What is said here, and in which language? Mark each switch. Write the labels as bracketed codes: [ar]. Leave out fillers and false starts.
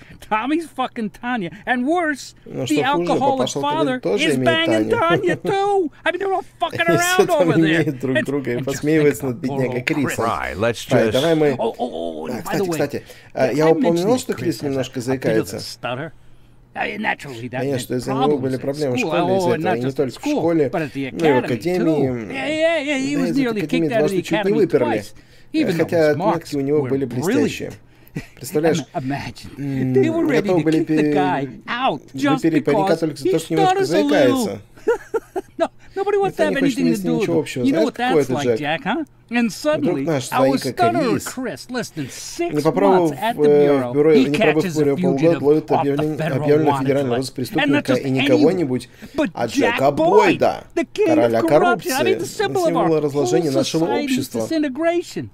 [en] Tommy's fucking Tanya, and worse, the alcoholic father is banging Tanya too. I mean, they're all fucking around over there. [ru] Все там друг друга и посмеиваются над беднягой Крисом. Давай мы. Кстати, я упомянул, что Крис немножко заикается. Конечно, что из-за него были проблемы в школе, из-за этого, и не только в школе, но и в академии. Да, из академии дважды чуть не выперли, хотя отметки у него были блестящие. Представляешь, готовы были выпереть паренька только за то, что немножко заикается. [en] No, nobody wants to have anything to do with it. You know what that's like, Jack, huh? And suddenly, our stutterer, Chris, less than 6 months at the bureau, he catches a fugitive off the federal wanted list. And not just anyone, but Jack Boyd, the king of corruption. I mean, the symbol of our whole society's disintegration.